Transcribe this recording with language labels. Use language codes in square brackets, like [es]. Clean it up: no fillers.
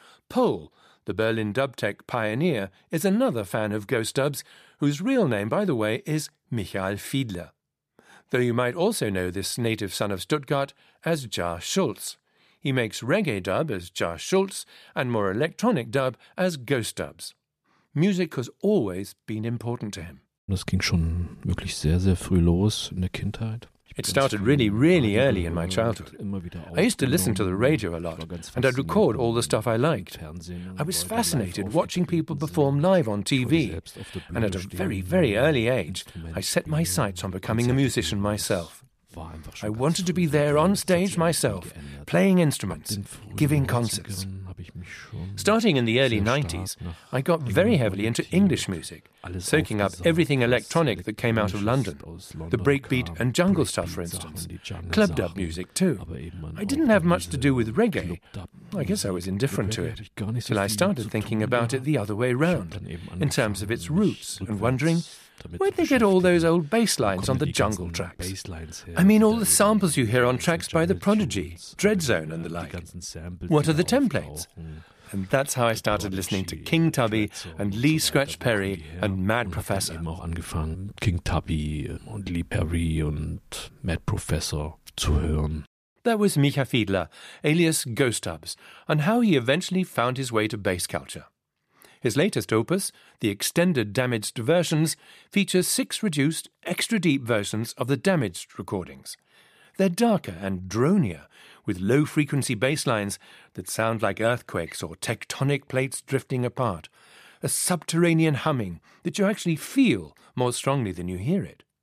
[en] Pohl, the Berlin dub tech pioneer, is another fan of Ghost Dub's, whose real name, by the way, is Michael Fiedler. Though you might also know this native son of Stuttgart as Jar Schultz. He makes reggae dub as Jar Schultz and more electronic dub as Ghost Dub's. Music has always been important to him. [de] Das ging schon wirklich sehr, sehr früh los in der Kindheit. [en] It started really, really early in my childhood. I used to listen to the radio a lot, and I'd record all the stuff I liked. I was fascinated watching people perform live on TV, and at a very, very early age, I set my sights on becoming a musician myself. I wanted to be there on stage myself, playing instruments, giving concerts. Starting in the early 90s, I got very heavily into English music, soaking up everything electronic that came out of London, the breakbeat and jungle stuff, for instance, club dub music too. I didn't have much to do with reggae. I guess I was indifferent to it, till I started thinking about it the other way round, in terms of its roots, and wondering, where'd they get all those old bass lines on the jungle tracks? I mean, all the samples you hear on tracks by The Prodigy, Dreadzone and the like. What are the templates? And that's how I started listening to King Tubby and Lee Scratch Perry and Mad Professor. [de] Ich habe angefangen, King Tubby und Lee Perry und Mad Professor zu hören. [en] That was Micha Fiedler, alias Ghost Dubs, and how he eventually found his way to bass culture. His latest opus, the Extended Damaged Versions, features six reduced, extra-deep versions of the Damaged recordings. They're darker and dronier, with low-frequency bass lines that sound like earthquakes or tectonic plates drifting apart, a subterranean humming that you actually feel more strongly than you hear it.